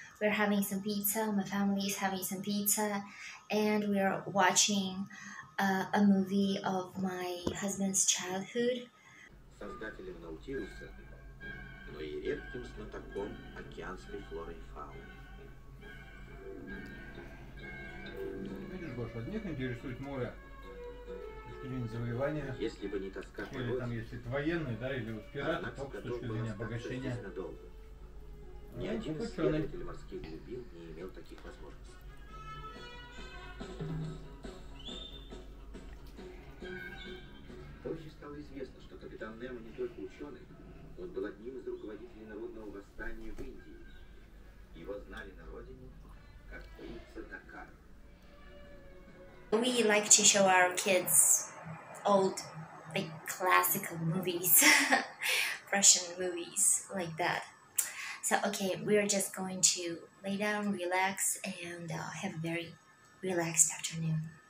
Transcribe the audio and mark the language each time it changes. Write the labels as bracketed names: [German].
[English] We're having some pizza, my family is having some pizza, and we are watching a movie of my husband's childhood. [Russian] Создателем Наутилуса, но и редким знатоком океанской флоры и фауны. Видишь, Боша, одних интересует море, какие-нибудь завоевания. Если бы не тоска по или там, если это военные, да, или вот пираты, только с точки зрения обогащения. Ни один исследователь морских глубин не имел таких возможностей. Позже стало известно, что капитан Немо не только ученый, он был одним из руководителей народного восстания в Индии. Его знали на родине как принца Дакара. [English] We like to show our kids old, like classical movies, Russian movies like that. So okay, we are just going to lay down, relax, and have a very relaxed afternoon.